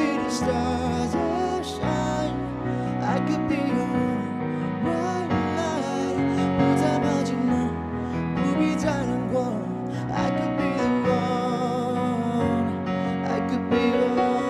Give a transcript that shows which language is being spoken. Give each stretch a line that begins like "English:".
English: Stars that shine, I could be your white light.
Chinese: 不再怕寂寞，不必再难过。
English: I could be the one, I could be your.